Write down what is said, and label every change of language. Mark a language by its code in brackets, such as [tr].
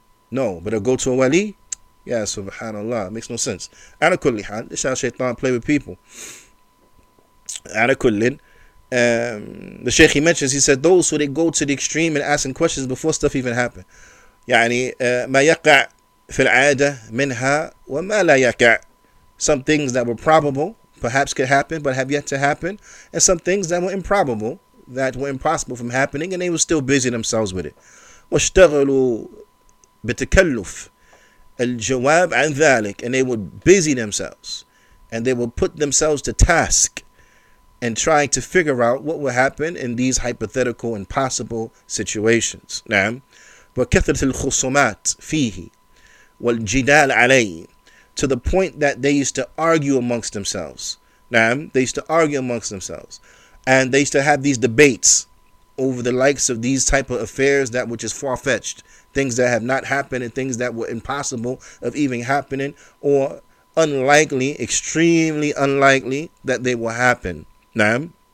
[en] No, but it'll go to a wali? Yeah, subhanAllah. It makes no sense. [ar] Ala kulli hal, [en] this is how shaitan play with people. Ala kulli. The Shaykh, he mentions, he said, those who they go to the extreme and asking questions before stuff even happened. [ar] يعني ما يقع في العادة منها وما لا يقع. [en] Some things that were probable, perhaps could happen, but have yet to happen. And some things that were improbable, that were impossible from happening, and they were still busy themselves with it. [ar] واشتغلوا بتكلف الجواب عن ذلك. [en] And they would busy themselves. And they would put themselves to task and trying to figure out what would happen in these hypothetical and possible situations. نعم. [ar] وكثرة الخصومات فيه والجدال عليه. [en] To the point that they used to argue amongst themselves. Naam, they used to argue amongst themselves. And they used to have these debates over the likes of these type of affairs that which is far-fetched. Things that have not happened and things that were impossible of even happening or unlikely, extremely unlikely that they will happen. Naam.